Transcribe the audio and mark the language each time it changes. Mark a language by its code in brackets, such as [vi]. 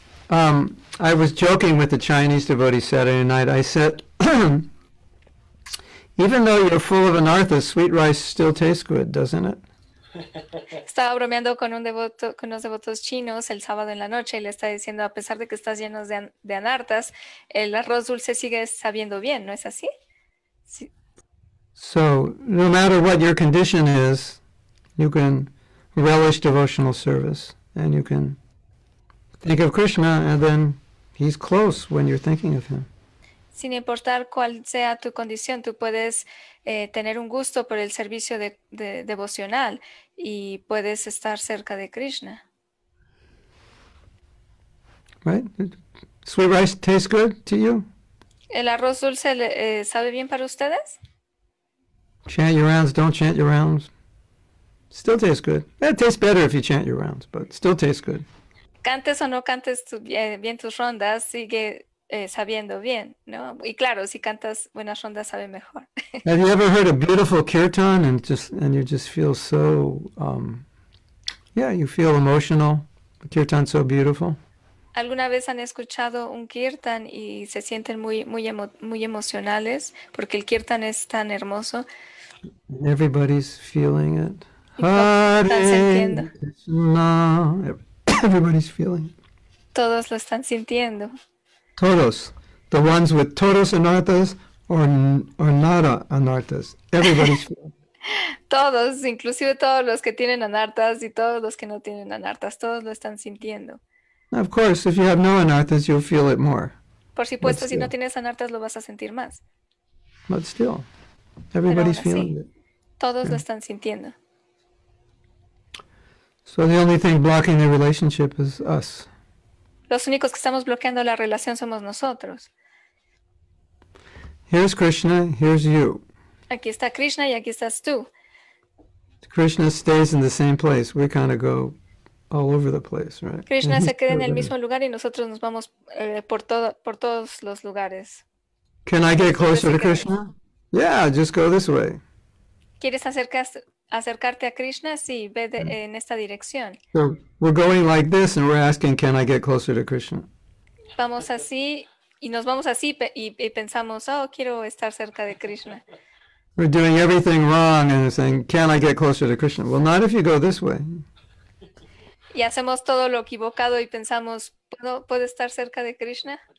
[en] I was joking with the Chinese devotee Saturday night. I said, even though you're full of anartha, sweet rice still tastes good, doesn't it? [es] Estaba bromeando con un devoto, con unos devotos chinos el sábado en la noche y le está diciendo, a pesar de que estás lleno de anartas, el arroz dulce sigue sabiendo bien, ¿no es así? Sí. [en] So, no matter what your condition is, you can relish devotional service and you can think of Krishna and then he's close when you're thinking of him. [es] Sin importar cuál sea tu condición, tú puedes tener un gusto por el servicio de devocional y puedes estar cerca de Krishna. [en] Right? Sweet rice tastes good to you? [es] ¿El arroz dulce sabe bien para ustedes? [en] Chant your rounds, don't chant your rounds. Still tastes good. It tastes better if you chant your rounds, but still tastes good. [es] Cantes o no cantes bien tus rondas, sigue sabiendo bien, ¿no? Y claro, si cantas buenas rondas, sabe mejor. [en] Have you ever heard a beautiful kirtan and you just feel so, you feel emotional? The kirtan's so beautiful. [es] ¿Alguna vez han escuchado un kirtan y se sienten muy, muy, muy emocionales porque el kirtan es tan hermoso? [en] Everybody's feeling it. Hare Krishna. Everybody's feeling it. [es] Todos lo están sintiendo. Todos. [en] The ones with [es] todos anarthas [en] or [es] nada anarthas. [en] Everybody's feeling it. [es] Todos, inclusive todos los que tienen anarthas y todos los que no tienen anarthas. Todos lo están sintiendo. [en] Of course, if you have no anarthas, you'll feel it more. [es] Por supuesto, si no tienes anarthas, lo vas a sentir más. [en] But still, everybody's feeling it. [es] Todos lo están sintiendo. [en] So the only thing blocking the relationship is us. [es] Los únicos que estamos bloqueando la relación somos nosotros. [en] Here's Krishna, here's you. [es] Aquí está Krishna y aquí estás tú. [en] Krishna stays in the same place. We kind of go all over the place, right? [es] Krishna se queda en el mismo lugar y nosotros nos vamos por todos los lugares. [en] Can I get closer to Krishna? Yeah, just go this way. [es] ¿Quieres acercarte a Krishna? Sí, ve en esta dirección. [en] So we're going like this and we're asking, can I get closer to Krishna? [es] Vamos así y nos vamos así y pensamos, oh, quiero estar cerca de Krishna. [en] We're doing everything wrong and saying, can I get closer to Krishna? Well, not if you go this way. [es] Y hacemos todo lo equivocado y pensamos, ¿puedo estar cerca de Krishna?